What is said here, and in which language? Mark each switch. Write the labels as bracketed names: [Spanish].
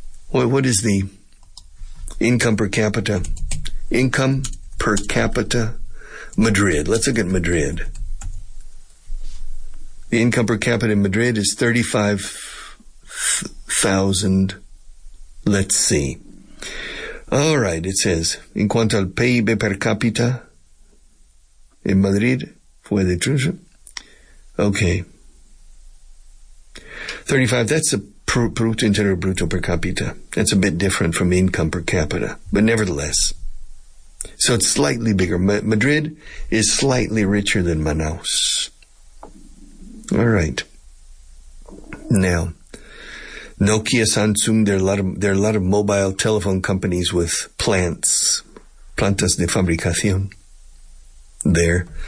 [English] What is the income per capita? Income per capita, Madrid. Let's look at Madrid. The income per capita in Madrid is 35,000. Let's see. All right, it says, [Spanish] en cuanto al PIB per capita en Madrid, fue de 35, [English] that's a [Spanish] Producto Interior Bruto per capita. [English] That's a bit different from income per capita, but nevertheless. So it's slightly bigger. Madrid is slightly richer than Manaus. All right. Now, Nokia, Samsung, there are a lot of mobile telephone companies with [Spanish] plantas de fabricación [English] there.